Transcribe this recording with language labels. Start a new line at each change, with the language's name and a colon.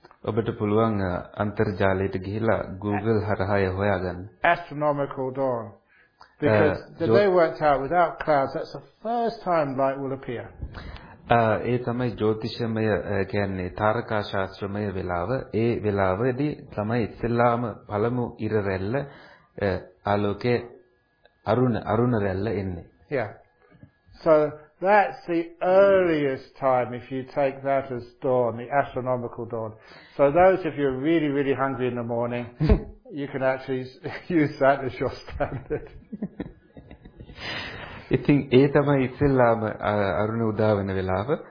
Sinhala: ඔබට පුළුවන් අන්තර්ජාලයට ගිහිලා Google හරහා හොයාගන්න.
English: Astronomical dawn. Because the day worked out without clouds, that's the first time light will appear.
Sinhala: ඒ තමයි ජ්‍යොතිෂමය කියන්නේ තාරකා ශාස්ත්‍රමය වෙලාව. ඒ වෙලාවේදී තමයි ඉස්සෙල්ලාම පළමු ඉර රැල්ල ආලෝකයේ අරුණ රැල්ල එන්නේ.
English: So that's the earliest time if you take that as dawn, the astronomical dawn. So those if you're really, really hungry in the morning, you can actually use that as your standard.
Sinhala: ඉතින් ඒ තමයි ඉස්සෙල්ලාම අරුණ උදා වෙන වෙලාව.